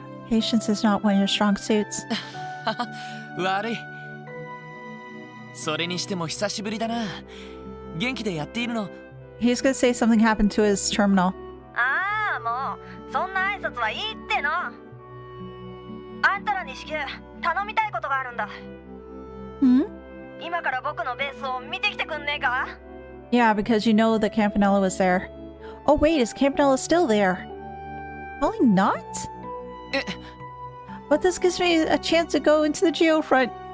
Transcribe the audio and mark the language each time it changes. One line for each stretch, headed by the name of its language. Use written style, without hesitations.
English: Patience is not one of your strong suits. Sorry.
Japanese: それにしても久しぶりだな。元気でやっているの?
English: He's gonna say something happened to his terminal.
Japanese: ああ、もう、そんな挨拶はいいっての。あんたらに至急、頼みたいことがあるんだ。今から僕のベースを見てきてくんねえか?
English: Yeah, because you know that Campanella was there. Oh wait, is Campanella still there? Probably not? But this gives me a chance to go into the geofront.